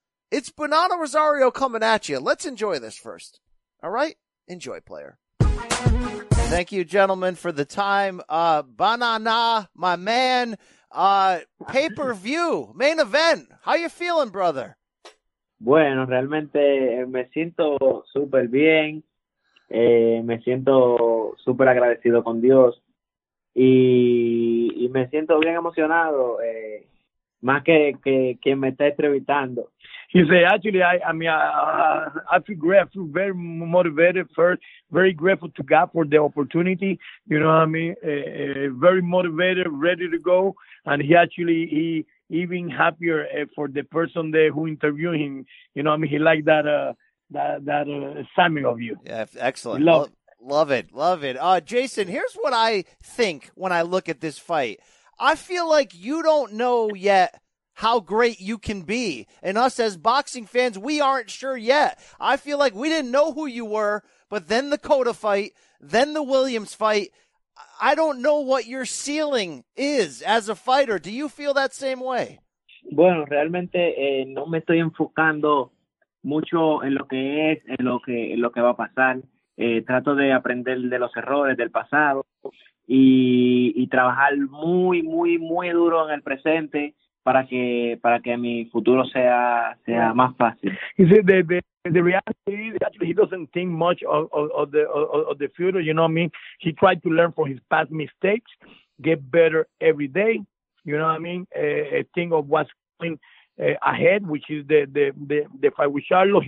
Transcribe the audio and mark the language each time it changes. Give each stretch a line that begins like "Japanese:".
English: It's Banana Rosario coming at you. Let's enjoy this first. All right? Enjoy, player. Thank you, gentlemen, for the time. Banana, my man. Pay-per-view, main event. How you feeling, brother?
Spanish: Bueno, realmente me siento súper bien. Me siento súper agradecido con Dios. Y me siento bien emocionado. Más que me está entrevistando.
English: He said, actually, I mean, I feel great. I feel very motivated first, very grateful to God for the opportunity. You know what I mean? Very motivated, ready to go. And he even happier for the person there who interviewed him. You know what I mean? He liked that assignment of you. Yeah, excellent. Love it. Jason, here's what I think when I look at this fight. I feel like you don't know yet how great you can be. And us as boxing fans, we aren't sure yet. I feel like we didn't know who you were, but then the Cota fight, then the Williams fight. I don't know what your ceiling is as a fighter. Do you feel that same way?
Spanish: Bueno, realmente no me estoy enfocando mucho en lo que es, en lo que va a pasar. Trato de aprender de los errores del pasado y trabajar muy, muy, muy duro en el presente. Para que mi futuro sea más fácil.
English: He said the reality is actually he doesn't think much of the future. You know what I mean? He tried to learn from his past mistakes, get better every day. You know what I mean? Think of what's coming ahead, which is the fight with Charlo.